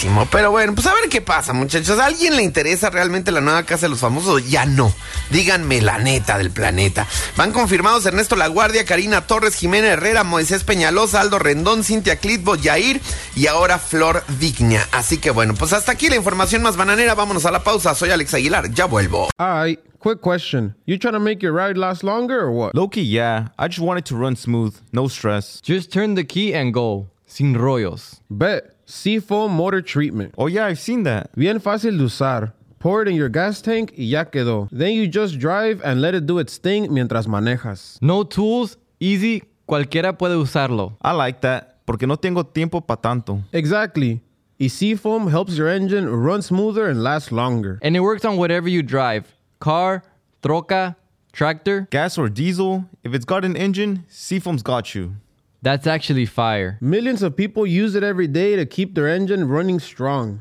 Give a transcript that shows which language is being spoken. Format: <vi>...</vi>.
<es>Pero bueno, pues a ver qué pasa, muchachos. ¿A alguien le interesa realmente la nueva Casa de los Famosos? Ya no. Díganme la neta del planeta. Van confirmados Ernesto La Guardia, Karina Torres, Jimena Herrera, Moisés Peñalosa, Aldo Rendón, Cintia Clitbo, Yair y ahora Flor Vigna. Así que bueno, pues hasta aquí la información más bananera. Vámonos a la pausa. Soy Alex Aguilar. Ya vuelvo.</es> <en>Ay. Quick question. You trying to make your ride last longer or what? Low-key, yeah. I just want it to run smooth. No stress. Just turn the key and go.</en> <es>Sin rollos.</es> <en>Bet. Seafoam motor treatment. Oh yeah, I've seen that.</en> <es>Bien fácil de usar.</es> <en>Pour it in your gas tank</en> <es>y ya quedó.</es> <en>Then you just drive and let it do its thing</en> <es>mientras manejas.</es> <en>No tools. Easy.</en> <es>Cualquiera puede usarlo.</es> <en>I like that.</en> <es>Porque no tengo tiempo pa' tanto.</es> <en>Exactly. Y Seafoam helps your engine run smoother and last longer. And it works on whatever you drive. Car, troca, tractor. Gas or diesel. If it's got an engine, Seafoam's got you. That's actually fire. Millions of people use it every day to keep their engine running strong.</en>